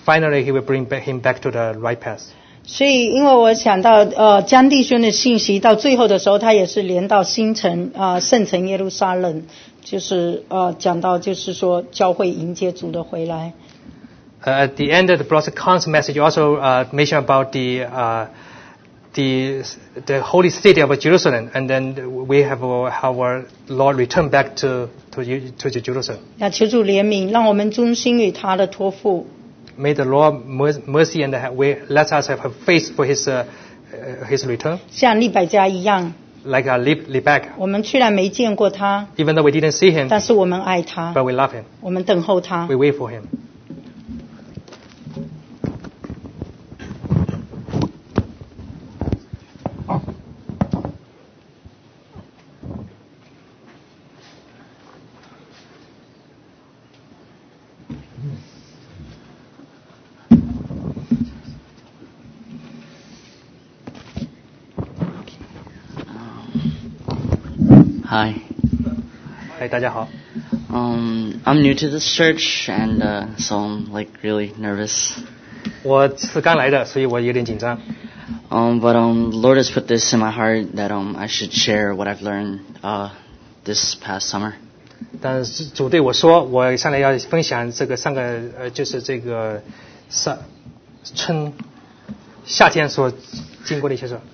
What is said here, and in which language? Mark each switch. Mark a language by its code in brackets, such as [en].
[en] Finally, he will bring him back to the right path. [zh] 所以因为我想到江弟兄的信息到最后的时候他也是连到新城圣城耶路撒冷就是讲到就是说教会迎接主的回来。 [en] At the end of the brother Khan's message also mentioned about the holy city of Jerusalem and then we have our Lord return back to Jerusalem. [zh] 求主怜悯让我们忠心与他的托付。 [en] May the Lord mercy and let us have faith for his return. [zh] 像利百加一样。 [en] Like a Lebek. [zh] 我们虽然没见过他。 [en] Even though we didn't see him. [zh] 但是我们爱他。 [en] But we love him. [zh] 我们等候他。 [en] We wait for him. Hi. [zh] Hi, 大家好。 [en] I'm new to this church, and so I'm like really nervous. [zh] 我是刚来的，所以我有点紧张。 [en] But Lord has put this in my heart that I should share what I've learned this past summer. [zh] 但是主对我说，我上来要分享这个上个就是这个夏天所经过的一些事。